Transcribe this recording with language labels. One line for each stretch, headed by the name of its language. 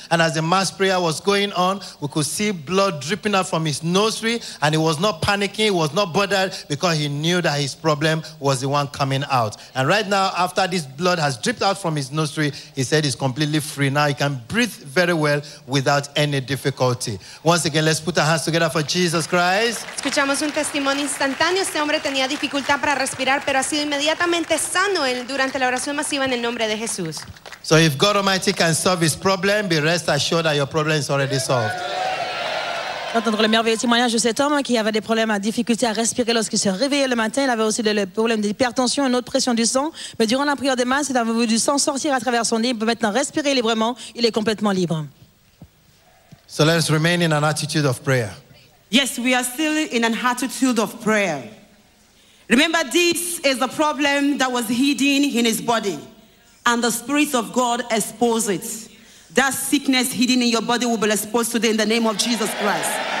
English: And as the mass prayer was going on, we could see blood dripping out from his nostril, and he was not panicking, he was not bothered, because he knew that his problem was the one coming out. And right now, after this blood has dripped out from his nostril, he said he's completely free. Now he can breathe very well without any difficulty. Once again, let's put our hands together for Jesus Christ.
Spanish: Un testimonio instantáneo. Este hombre tenía dificultad para respirar, pero ha sido inmediatamente sano durante la oración masiva en el nombre de Jesús.
English: So if God Almighty can solve his problem, be rest assured that your problem is already solved.
French: Entendre le merveilleux témoignage de cet homme qui avait des problèmes, des difficultés à respirer lorsqu'il se réveillait le matin. Il avait aussi des problèmes d'hypertension, une haute pression du sang. Mais durant la prière des masses, il avait vu du sang sortir à travers son nez. Il peut maintenant respirer librement. Il est complètement libre.
English: So let's remain in an attitude of prayer. Yes, we are still in an attitude of prayer. Remember, this is the problem that was hidden in his body, and the Spirit of God exposed it. That sickness hidden in your body will be exposed today in the name of Jesus Christ.